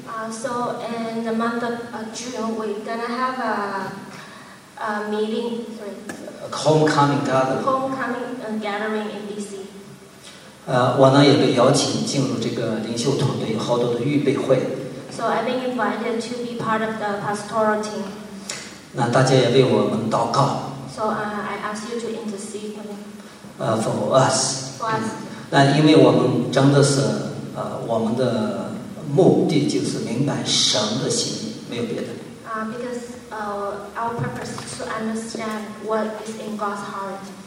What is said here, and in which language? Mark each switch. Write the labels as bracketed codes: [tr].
[en] So in the month of June, we're gonna have a meeting. Homecoming gathering. Homecoming gathering in BC. [zh] 我呢也被邀请进入这个领袖团队，好多的预备会。 [en] So I've been invited to be part of the pastoral team. [zh] 那大家也为我们祷告。 [en] So I ask you to intercede for me. For us. For us. [zh] 因为我们真的是我们的目的就是明白神的心意，没有别的。 [en] Because our purpose is to understand what is in God's heart.